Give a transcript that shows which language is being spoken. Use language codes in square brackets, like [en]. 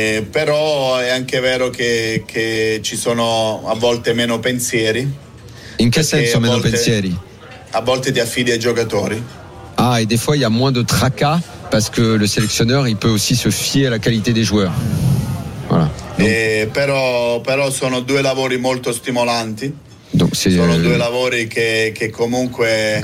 [it] Però è anche vero che ci sono a volte meno pensieri. In che senso meno pensieri? A volte ti affidi ai giocatori. [fr] Ah, et des fois il y a moins de tracas parce que le sélectionneur, il peut aussi se fier à la qualité des joueurs. [it] Però sono due lavori molto stimolanti. Donc sono due lavori che comunque